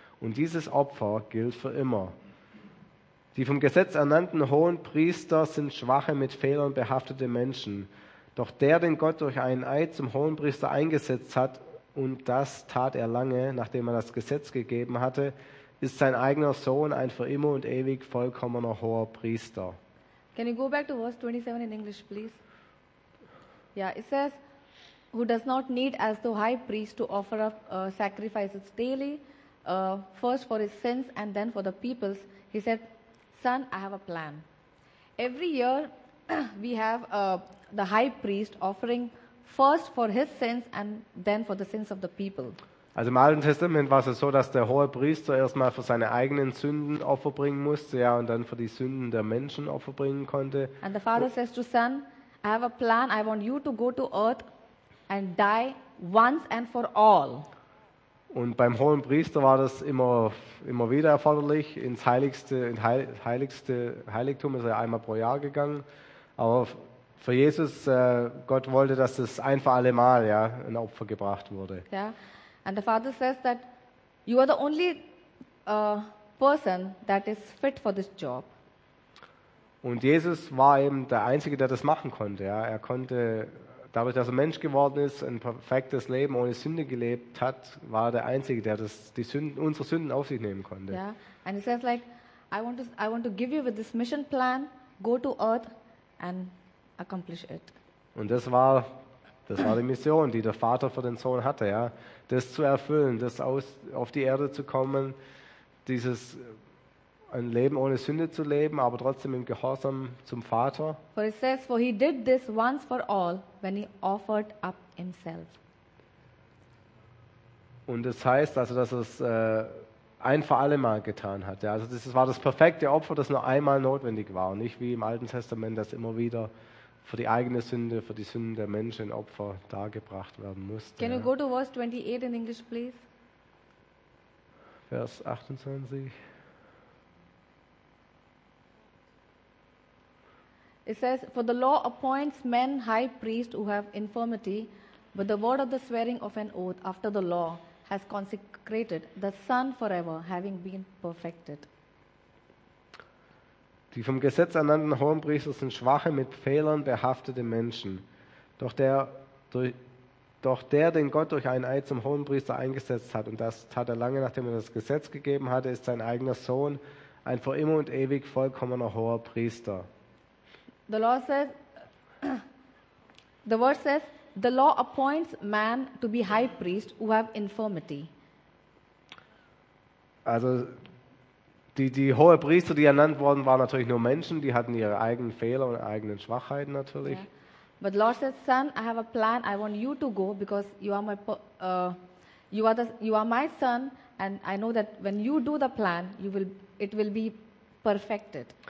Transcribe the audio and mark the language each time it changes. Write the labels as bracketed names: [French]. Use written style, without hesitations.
[German] Und dieses Opfer gilt für immer. Die vom Gesetz ernannten hohen Priester sind schwache, mit Fehlern behaftete Menschen. Doch der, den Gott durch einen Eid zum hohen Priester eingesetzt hat, und das tat er lange, nachdem er das Gesetz gegeben hatte, ist sein eigener Sohn ein für immer und ewig vollkommener hoher Priester. [English] Can you go back to verse 27 in English, please? Yeah, it says, who does not need as the high priest to offer up sacrifices daily, first for his sins and then for the people's. He said, Son, I have a plan. Every year we have the high priest offering first for his sins and then for the sins of the people. [German] Also im Alten Testament war es so, dass der hohe Priester erstmal für seine eigenen Sünden Opfer bringen musste, ja, und dann für die Sünden der Menschen Opfer bringen konnte. [English] And the father says to son, I have a plan. I want you to go to earth and die once and for all. [German] Und beim hohen Priester war das immer wieder erforderlich, ins heiligste Heiligtum ist er einmal pro Jahr gegangen. Aber für Jesus, Gott wollte, dass es ein für alle Mal, ja, ein Opfer gebracht wurde. [English] Yeah. And the father says that you are the only person that is fit for this job. [German] Und Jesus war eben der Einzige, der das machen konnte. Ja. Er konnte, dadurch, dass er Mensch geworden ist, ein perfektes Leben ohne Sünde gelebt hat, war er der Einzige, der das, die Sünden, unsere Sünden auf sich nehmen konnte. [English] Yeah. And he says like, I want to give you with this mission plan, go to earth and accomplish it. [German] Und das war die Mission, die der Vater für den Sohn hatte, ja, das zu erfüllen, das auf die Erde zu kommen, dieses ein Leben ohne Sünde zu leben, aber trotzdem im Gehorsam zum Vater. [English] For it says, for he did this once for all when he offered up himself. [German] Und das heißt also, dass es ein für alle Mal getan hat, ja. Also das war das perfekte Opfer, das nur einmal notwendig war, und nicht wie im Alten Testament, das immer wieder für die eigene Sünde, für die Sünden der Menschen in Opfer dargebracht werden musste. [English] Can you go to verse 28 in English, please? [German] Vers 28. [English] It says, for the law appoints men high priests who have infirmity, but the word of the swearing of an oath after the law has consecrated the Son forever, having been perfected. [German] Die vom Gesetz ernannten Hohenpriester sind schwache, mit Fehlern behaftete Menschen. Doch der, den Gott durch einen Eid zum Hohenpriester eingesetzt hat, und das tat er lange, nachdem er das Gesetz gegeben hatte, ist sein eigener Sohn, ein für immer und ewig vollkommener hoher Priester. [English] The law says, the word says, the law appoints man to be high priest who have infirmity. [German] Also Die hohe Priester, die ernannt worden waren, natürlich nur Menschen, die hatten ihre eigenen Fehler und eigenen Schwachheiten natürlich. [English] Yeah. But Lord says, son, I have a plan. I want you to go because you are my son, and I know that when you do the plan, it will be perfected.